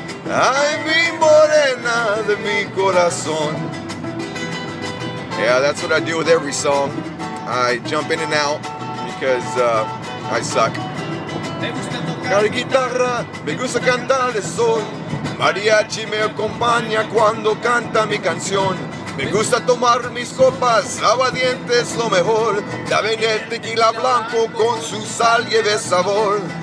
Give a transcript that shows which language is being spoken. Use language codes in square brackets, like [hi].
[es] Ay, mi morena de mi corazón. [en] Yeah, that's what I do with every song. I jump in and out because I suck. [es] Cari guitarra, me gusta cantar el sol. Mariachi me acompaña cuando canta mi canción. Me gusta tomar mis copas, aguardientes lo mejor. Dame el tequila blanco con su sal y de sabor.